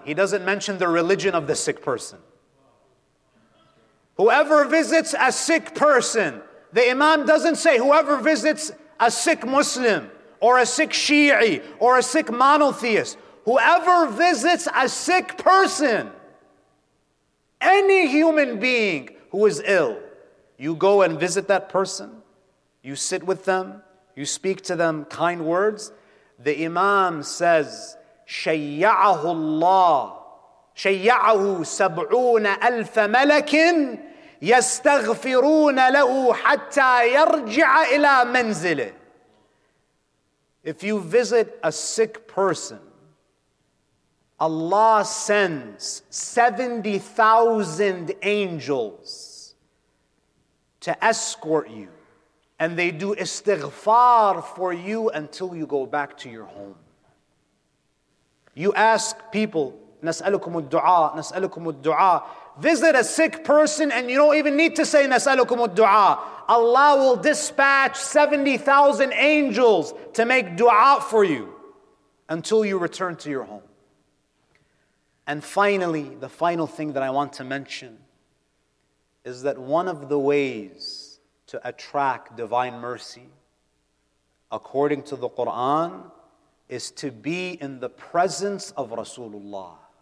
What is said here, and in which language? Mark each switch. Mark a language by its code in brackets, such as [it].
[en] He doesn't mention the religion of the sick person. Whoever visits a sick person, the imam doesn't say, whoever visits a sick Muslim, or a sick Shi'i, or a sick monotheist, whoever visits a sick person, any human being who is ill, you go and visit that person, you sit with them, you speak to them kind words. The imam says, [ar] شَيَّعَهُ اللَّهُ شَيَّعَهُ سَبْعُونَ أَلْفَ مَلَكٍ يَسْتَغْفِرُونَ لَهُ حَتَّى يَرْجِعَ إِلَى مَنْزِلِهِ. [en] If you visit a sick person, Allah sends 70,000 angels to escort you, and they do istighfar for you until you go back to your home. You ask people, [ar] نسألكم الدعاء, نسألكم الدعاء. [en] Visit a sick person and you don't even need to say [ar] نسألكم الدعاء. [en] Allah will dispatch 70,000 angels to make dua for you until you return to your home. And finally, the final thing that I want to mention is that one of the ways to attract divine mercy, according to the Quran, is to be in the presence of Rasulullah.